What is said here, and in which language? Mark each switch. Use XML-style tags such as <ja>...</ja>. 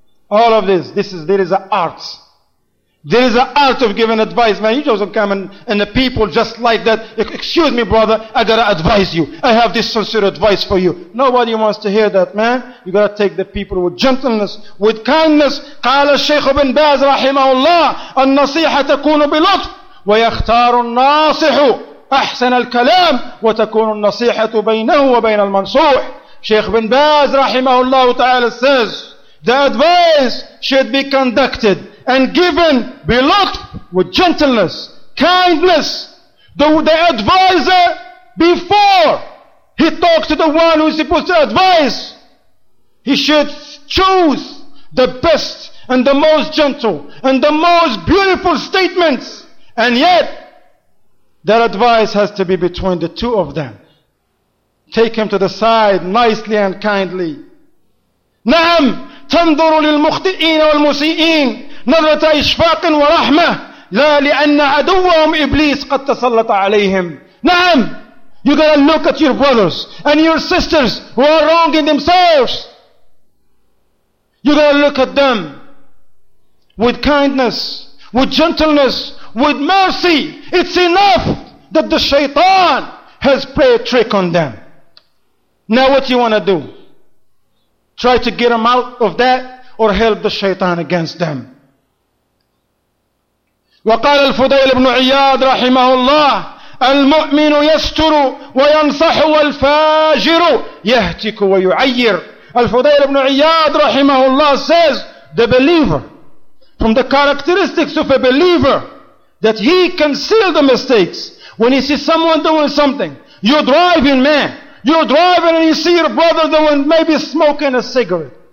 <en>All of this, there is an art. There is an art of giving advice, man. You just don't come and the people just like that. Excuse me, brother, I gotta advise you. I have this sincere advice for you. Nobody wants to hear that, man. You gotta take the people with gentleness, with kindness.</en> <ar>قال الشيخ بن باز رحمه الله النصيحة تكون بلطف ويختار الناصح أحسن الكلام وتكون النصيحة بينه وبين المنصوح.</ar> <en>شيخ بن باز</en> <ar>رحمه الله تعالى</ar> <en>says, the advice should be conducted and given below with gentleness, kindness. The advisor, before he talks to the one who is supposed to advise, he should choose the best and the most gentle and the most beautiful statements. And yet, That advice has to be between the two of them. Take him to the side nicely and kindly.</en> <ar>نعم تنظر للمخطئين والمسيئين نظرة إشفاق ورحمة لا لأن عدوهم إبليس قد تسلط عليهم.</ar> <en>نعم, you gotta look at your brothers and your sisters who are wrong in themselves. You gotta look at them with kindness, with gentleness, with mercy. It's enough that the shaitan has played a trick on them. Now what do you want to do? Try to get them out of that or help the shaitan against them?</en> <ar>وقال الفضيل بن عياد رحمه الله المؤمن يستر وينصح والفاجر يهتك ويعير.</ar> <en>الفضيل بن عياد</en> <ar>رحمه الله</ar> <en>says, the believer, from the characteristics of a believer, that he conceals the mistakes. When he sees someone doing something, you're driving, man. You're driving and you see your brother doing, maybe smoking a cigarette.</en>